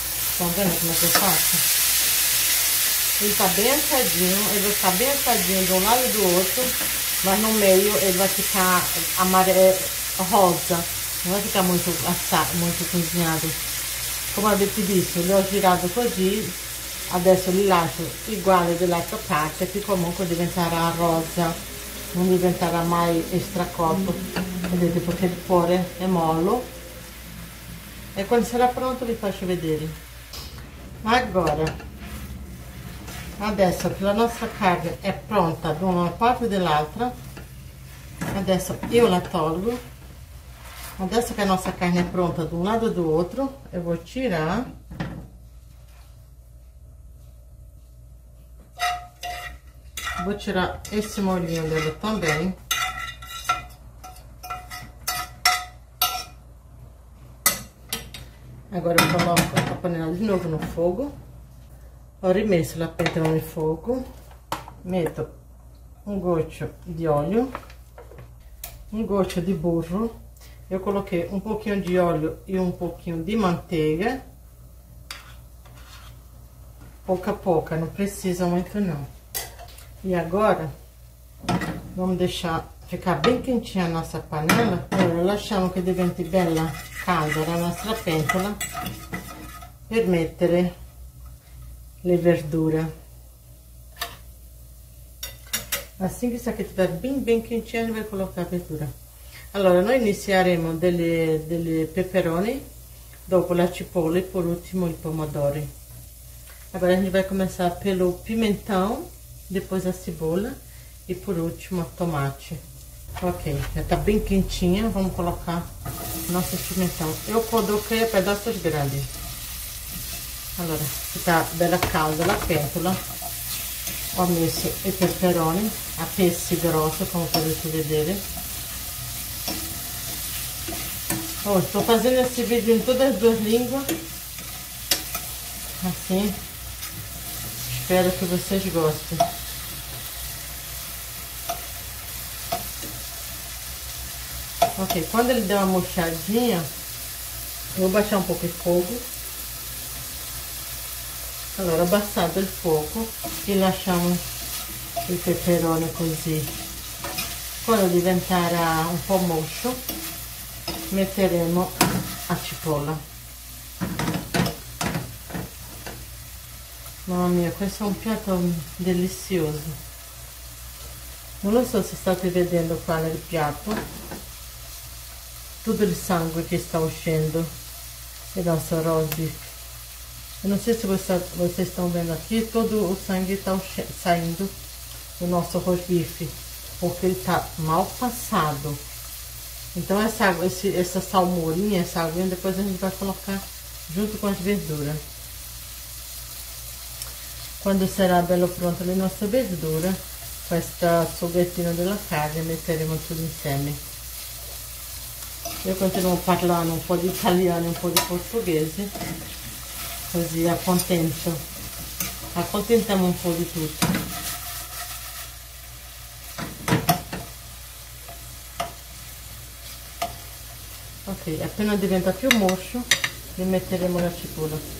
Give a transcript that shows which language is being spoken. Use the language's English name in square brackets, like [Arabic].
[Portuguese] Estão vendo como é que eu faço? Ele tá bem assadinho, ele vai ficar bem assadinho de um lado e do outro, mas no meio ele vai ficar amarelo, rosa. Não vai ficar muito assado, muito cozinhado. Como a gente disse, ele é girado così, adesso ele lascio igual de lato parte, que comunque diventará rosa, não diventará mais estracoto. [Italian] Vedete, porque il cuore è mollo. E quando sarà pronto vi faccio vedere. [Portuguese] Agora. [Italian] Adesso che la nostra carne è pronta da una parte e dall'altra, adesso io la tolgo. Adesso che la nostra carne è pronta da un lato e dall'altro, [Portuguese] io vou tirar. Vou tirar esse molhinho dela também. Agora eu coloco a panela de novo no fogo. [Italian] Ho rimesso la pentola in fuoco, metto un goccio di olio, un goccio di burro, io collochei un pochino di olio e un pochino di manteiga, poca poca, [Portuguese] non precisa molto no. E agora, vamos deixar ficar bem quentinha a nossa panela, [Italian] allora, lasciamo che diventi bella calda la nostra pentola, per mettere le verdure. [Portuguese] Assim que isso aqui estiver bem, bem quentinho, a gente vai colocar a verdura. [Italian] Allora, noi inizieremo delle peperoni, dopo la cipolla e [Portuguese] por último [Italian] i pomodori. [Portuguese] Agora a gente vai começar pelo pimentão, depois a cebola e por último a tomate. Ok, já tá bem quentinha, vamos colocar nosso pimentão. Eu coloquei pedaços grandes. [Italian] Allora, sta bella calda la pentola, ho messo i peperoni a pezzi grossi, come potete vedere. Oh, sto facendo questo video in tutte e due lingue, così, spero che [Portuguese] vocês gostem. Ok, quando ele der uma murchadinha, eu vou baixar um pouco il fogo. [Italian] Allora, abbassato il fuoco e lasciamo il peperone così. Quando diventerà un po' moscio, metteremo la cipolla. Mamma mia, questo è un piatto delizioso. Non lo so se state vedendo qua nel piatto tutto il sangue che sta uscendo e la sorosi. [Portuguese] Eu não sei se vocês estão vendo aqui, todo o sangue está saindo do nosso rosbife, porque ele está mal passado. Então essa água, essa salmourinha, essa água, depois a gente vai colocar junto com as verduras. Quando será belo pronto a nossa verdura, com esta sughettina della carne, metteremos tudo insieme. Eu continuo falando um pouco de italiano e um pouco de português. [Italian] Così accontento, accontentiamo un po' di tutto. Ok, appena diventa più moscio, ne metteremo la cipolla.